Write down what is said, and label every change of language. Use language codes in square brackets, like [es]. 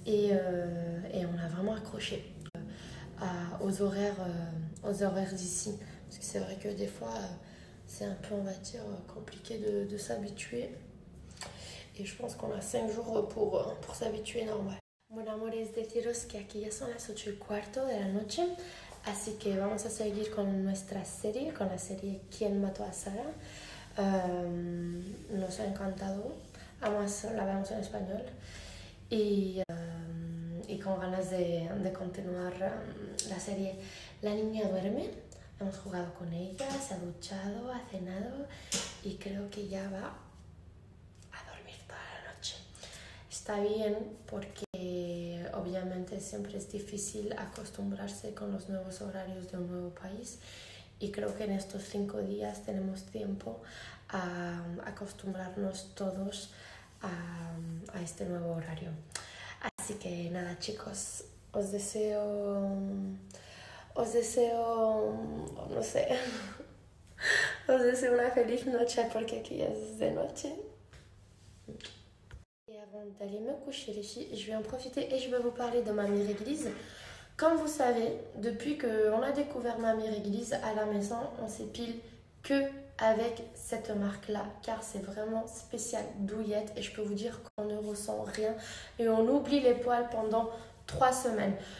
[fr] Et on a vraiment accroché aux horaires d'ici. Parce que c'est vrai que des fois. C'est un peu, on va dire, compliqué de s'habituer. Et je pense qu'on a 5 jours pour s'habituer normal. [es] Mon amour, es deciros que aquí ya son las 8 y cuarto de la noche. Así que vamos a seguir con nuestra serie, con la serie ¿Quién mató a Sara? Nos ha encantado. Además, la vemos en español. Y con ganas de continuar la serie La niña duerme. Hemos jugado con ella, se ha duchado, ha cenado y creo que ya va a dormir toda la noche. Está bien porque obviamente siempre es difícil acostumbrarse con los nuevos horarios de un nuevo país y creo que en estos 5 días tenemos tiempo a acostumbrarnos todos a este nuevo horario. Así que nada chicos, os deseo... Os deseo, no sé, os deseo una feliz noche porque aquí ya es de noche. [fr] Et avant d'aller me coucher les filles, je vais en profiter et je vais vous parler de Mamie Réglise. Comme vous savez, depuis qu'on a découvert Mamie Réglise à la maison, on s'épile que avec cette marque-là car c'est vraiment spécial douillette et je peux vous dire qu'on ne ressent rien et on oublie les poils pendant 3 semaines.